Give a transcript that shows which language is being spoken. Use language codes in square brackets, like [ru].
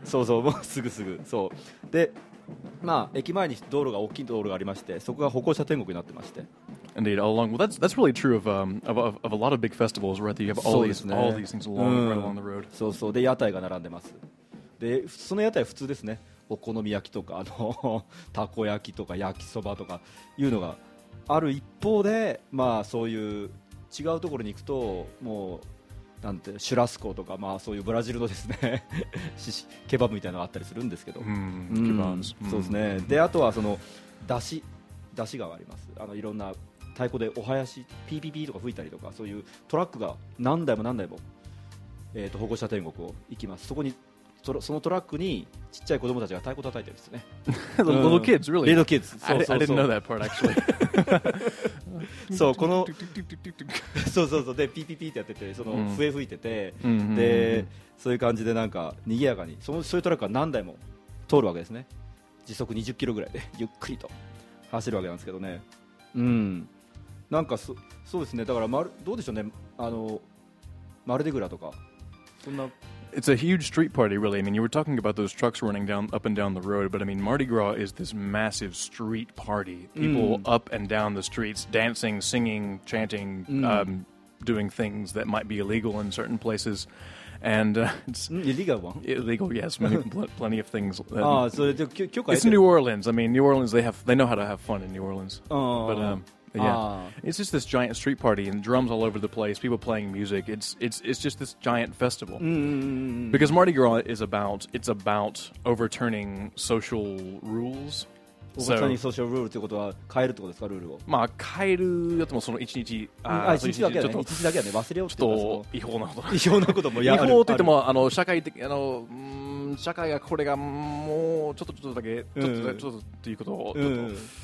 [ja] そうそうもうすぐすぐ。そう。で、まあ駅前に道路が大きい道路がありまして、そこが歩行者天国になってまして。 [en] Indeed, along well, that's really true of a lot of big festivals, right? You have all these things along the road. [ja] そうそう。で屋台が並んでます。でその屋台は普通ですね。お好み焼きとかあのたこ焼きとか焼きそばとかいうのが。ある一方で、まあ、そういう違うところに行くともうなんてシュラスコとか、まあ、そういうブラジルのですねケバブみたいなのがあったりするんですけど、そうですね。であとはその出汁があります。あのいろんな太鼓でお囃子ピーピーピーとか吹いたりとか、そういうトラックが何台も何台も、保護者天国を行きます。そこにそのトラックにちっちゃい子供たちが太鼓叩いてるんですね。 [en] Little kids, really? Little kids. I didn't know that part, actually. [ja] そう、この… そうそうそう、で、ピーピーピーってやってて、その笛吹いてて、で、そういう感じでなんか、賑やかに、そういうトラックが何台も通るわけですね。時速20キロぐらいで、ゆっくりと走るわけなんですけどね。なんか、そうですね、だから、どうでしょうね、あの、マルデグラとか、そんな… [en] It's a huge street party, really. I mean, you were talking about those trucks running down up and down the road, but I mean, Mardi Gras is this massive street party. People up and down the streets, dancing, singing, chanting, doing things that might be illegal in certain places. And it's illegal one. Illegal, yes. Many, plenty of things. It's New Orleans. I mean, New Orleans, they know how to have fun in New Orleans. But it's just this giant street party and drums all over the place, people playing music. It's just this giant festival. Because Mardi Gras is about overturning social rules. Overturning social rules [ja] ってことは変えるってことですか、ルールを。まあ変えるやつもその一日、一日だけやね。忘れようって言ったら違法なこと。違法なこともやる。違法って言ってもあの社会的あの。社会がこれがもうちょっとだけちょっとっていうことをちょっと。